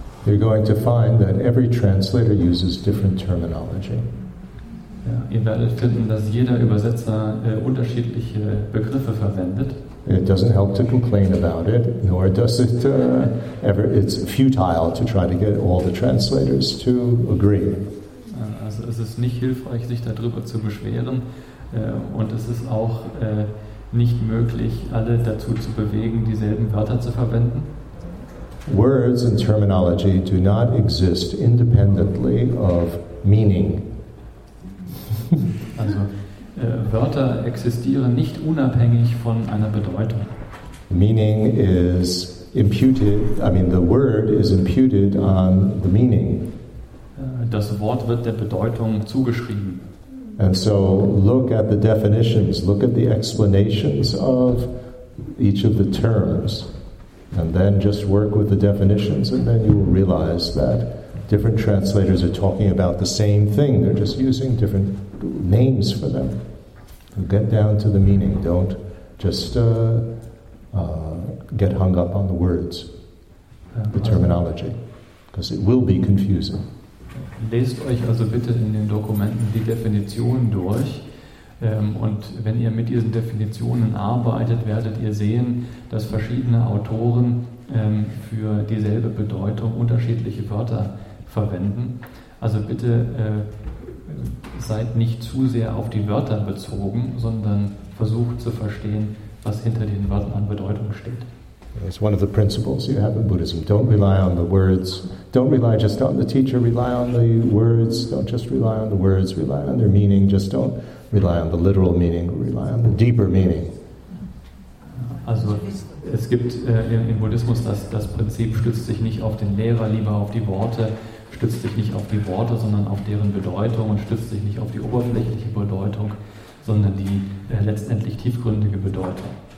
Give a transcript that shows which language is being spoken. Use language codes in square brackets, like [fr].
[de] You're going to find that every translator uses different terminology. Ja, ihr werdet finden, dass jeder Übersetzer unterschiedliche Begriffe verwendet. [en] It doesn't help to complain about it, nor does it ever. It's futile to try to get all the translators to agree. [de] Also es ist nicht hilfreich, sich darüber zu beschweren, und es ist auch nicht möglich, alle dazu zu bewegen, dieselben Wörter zu verwenden. [en] Words and terminology do not exist independently of meaning. [de] Also, Wörter existieren nicht unabhängig von einer Bedeutung. [en] Meaning is imputed, the word is imputed on the meaning. [de] Das Wort wird der Bedeutung zugeschrieben. [en] And so look at the definitions, look at the explanations of each of the terms. And then just work with the definitions, and then you will realize that different translators are talking about the same thing. They're just using different names for them. Get down to the meaning. Don't just get hung up on the words, the terminology, because it will be confusing. [de] Lest euch also bitte in den Dokumenten die Definitionen durch. Und wenn ihr mit diesen Definitionen arbeitet, werdet ihr sehen, dass verschiedene Autoren für dieselbe Bedeutung unterschiedliche Wörter verwenden. Also bitte seid nicht zu sehr auf die Wörter bezogen, sondern versucht zu verstehen, was hinter den Wörtern an Bedeutung steht. [en] It's one of the principles you have in Buddhism. Don't rely on the words. Don't rely just on the teacher. Rely on the words. Don't just rely on the words. Rely on their meaning. Just don't rely on the literal meaning, rely on the deeper meaning. [de] Also es gibt im Buddhismus das Prinzip, stützt sich nicht auf den Lehrer, lieber auf die Worte, stützt sich nicht auf die Worte, sondern auf deren Bedeutung, und stützt sich nicht auf die oberflächliche Bedeutung, sondern die letztendlich tiefgründige Bedeutung.